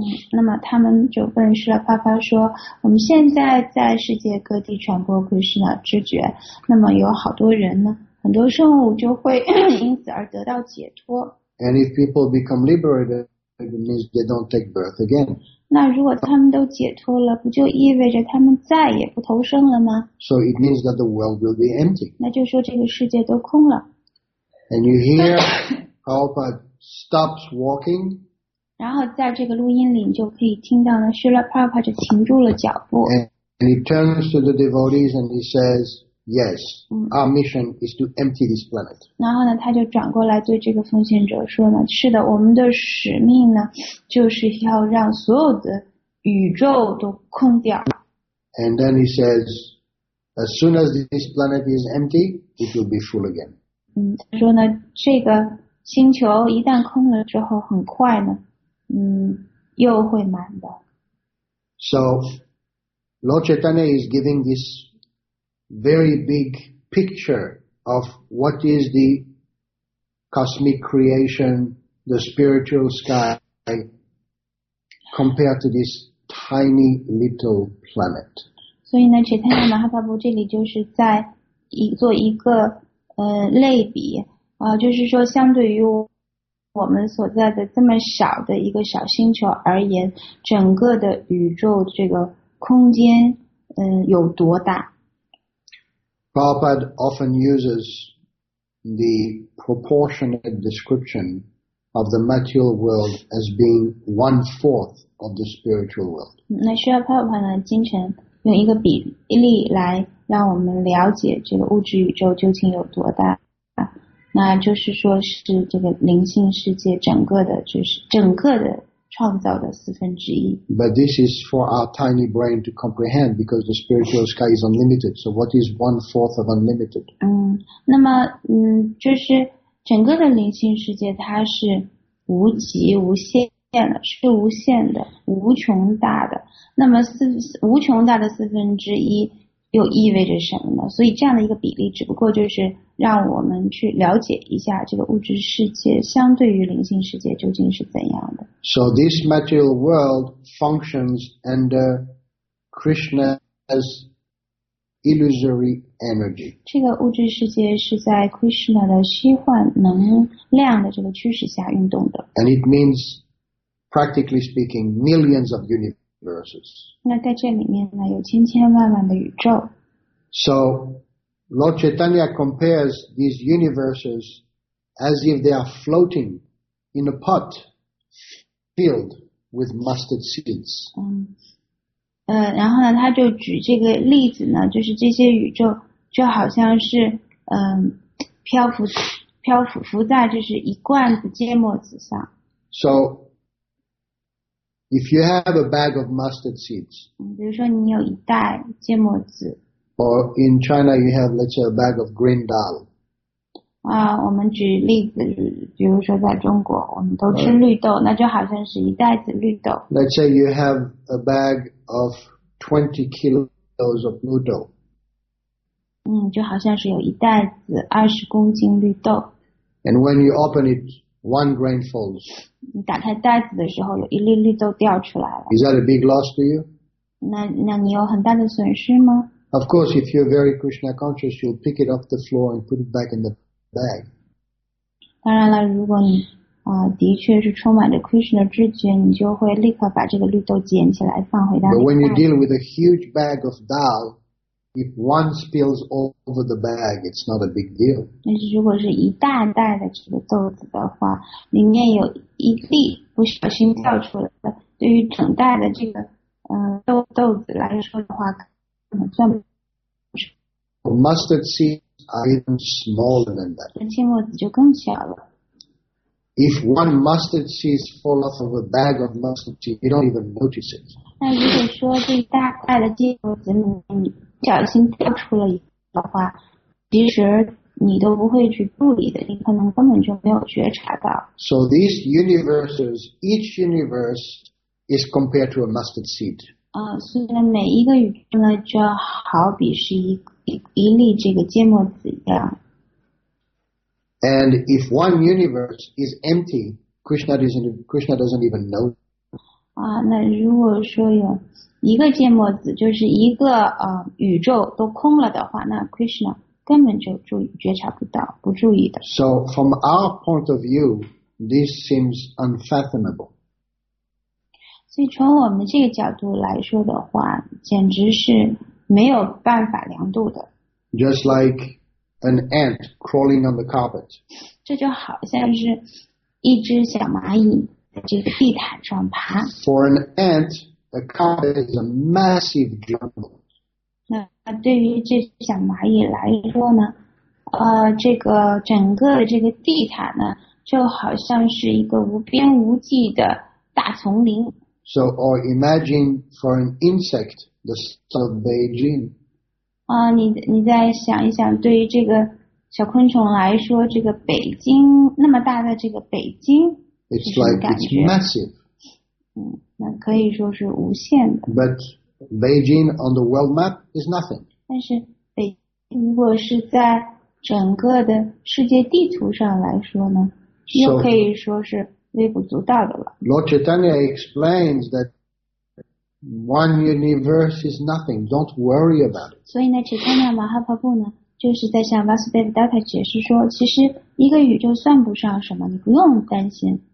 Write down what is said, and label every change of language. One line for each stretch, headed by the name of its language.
Chinese: 那么他们就问Srila Prabhupada说，我们现在在世界各地传播 Krishna 知觉，那么有好多人呢，很多生物就会因此而得到解脱。
English: And if people become liberated, it means they don't take birth again.
Chinese: 那如果他们都解脱了，不就意味着他们再也不投生了吗？
English: So it means that the world will be empty.
Chinese: 那就说这个世界都空了。
English: And you hear Prabhupada stops walking.
Chinese: 然后在这个录音里你就可以听到呢 Srila Prabhupada 就停住了脚步。
English: And he turns to the devotees and he says, yes, our mission is to empty this planet.
Chinese: 然后呢他就转过来对这个奉献者说呢，是的，我们的使命呢就是要让所有的宇宙都空掉。
English: And then he says, as soon as this planet is empty, it will be full again.
Chinese: 他说呢，这个星球一旦空了之后很快呢又会满的。
English: So, Lord Chaitanya is giving this very big picture of what is the cosmic creation, the spiritual sky, compared to this tiny little planet.
Chinese: 所以呢 Chaitanya Mahaprabhu 这里就是在做一个类比就是说相对于我们所在的这么小的一个小星球而言，整个的宇宙这个空间有多大。
English: Prabhupada often uses the proportionate description of the material world as being one fourth of the spiritual world.
Chinese: 那需要 Prabhupada 呢经常用一个比例来让我们了解这个物质宇宙究竟有多大。那就是说是这个灵性世界整个的就是整个的创造的四分之一。
English: But this is for our tiny brain to comprehend because the spiritual sky is unlimited. So what is one fourth of unlimited?
Chinese: 那么就是整个的灵性世界它是无极无限的，是无限的，无穷大的。那么无穷大的四分之一又意味着什么呢？所以这样的一个比例只不过就是让我们去了解一下这个物质世界相对于灵性世界究竟是怎样的。
English: So this material world functions under Krishna's illusory energy.
Chinese: 这个物质世界是在 Krishna 的虚幻能量的这个驱使下运动的。
English: And it means, practically speaking, millions of universes.
Chinese: 那在这里面呢，有千千万万的宇宙。
English: So,Lord Chaitanya compares these universes as if they are floating in a pot filled with mustard seeds.
Chinese: 然后呢，他就举这个例子呢，就是这些宇宙就好像是漂浮在就是一罐子芥末子上。
English: So, if you have a bag of mustard seeds,
Chinese: 比如说你有一袋芥末子。
English: Or in China, you have, let's say, a bag of green dal.
Chinese: 我们举例子，比如说在中国，我们都吃绿豆，那就好像是一袋子绿豆。
English: Let's say you have a bag of 20 kilos of noodle.
Chinese: 就好像是有一袋子20公斤绿豆。
English: And when you open it, One grain falls.
Chinese: 你打开袋子的时候，有一粒粒都掉出来了。
English: Is that a big loss to you?
Chinese: 那你有很大的损失吗？
English: Of course, if you're very Krishna conscious, you'll pick it off the floor and put it back in the bag.
Chinese: 当然了，如果你的确是充满着 Krishna 知觉，你就会立刻把这个绿豆捡起来放回到。
English: But when you deal with a huge bag of dal, if one spills all over the bag, it's not a big deal.
Chinese: 但是如果是一大袋的这个豆子的话，里面有一粒不小心掉出来的，对于整袋的这个豆子来说的话，可能算不上。
English: Mustard seeds are even smaller than that.
Chinese: 芥末籽就更小了。
English: If one mustard seed falls off of a bag of mustard seed, you don't even notice it.
Chinese: 那如果说这大块的芥末籽里面你不小心掉出了一个的话，其实你都不会去注意的，你可能根本就没有觉察到。
English: So these universes, each universe is compared to a mustard seed.
Chinese: 所以每一个宇宙呢，就好比是一粒这个芥末籽一样。
English: And if one universe is empty, Krishna doesn't even know.
Chinese: 那如果说有一个芥末籽，就是一个宇宙都空了的话，那 Krishna 根本就觉察不到，不注意的。
English: So from our point of view, this seems unfathomable.
Chinese: 所以从我们这个角度来说的话，简直是没有办法量度的。
English: Just like an ant crawling on the carpet.
Chinese: 这就好像是一只小蚂蚁在这个地毯上爬。
English: For an ant, a carpet is a massive jungle.
Chinese: 那对于这小蚂蚁来说呢，这个整个的这个地毯呢，就好像是一个无边无际的大丛林。
English: So, or imagine for an insect, the size of Beijing.
Chinese: 你再想一想，对于这个小昆虫来说，这个北京那么大的这个北京，
English: it's like it's massive.
Chinese: 那可以说是无限的。
English: But Beijing on the world map is nothing.
Chinese: 但是北京如果是在整个的世界地图上来说呢，又可以说是微不足道的了。
English: Lord Chaitanya explains that. One universe is nothing. Don't worry about it.
Chinese: 所以呢，Chaitanya Mahaprabhu呢，就是在向 Vasudeva Datta 解释说，其实一个宇宙算不上什么，你不用担心。